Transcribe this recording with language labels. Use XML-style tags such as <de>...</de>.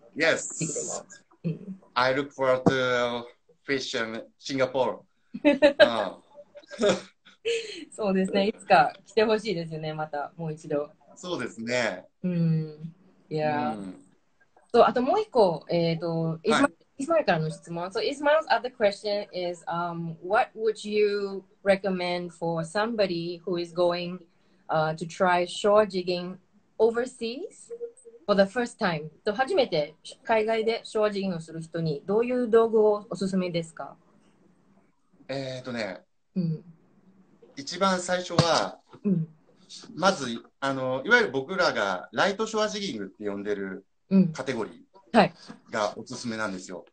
<en>Yes. I look forward to fish in Singapore. 、</en> <ja>そうですね。いつか来てほしいですよね。またもう一度。そうですね。うん。いや。と、あともう一個、イスマイルからの質問。</ja> <en>So Ismail's other question is, what would you recommend for somebody who is goingto try shore jigging overseas for the first time.</en> <ja>と初めて海外でショアジギングをする人にどういう道具をおすすめですか？ね、うん、一番最初は、うん、まずいわゆる僕らがライトショアジギングって呼んでるカテゴリーがおすすめなんですよ。</ja>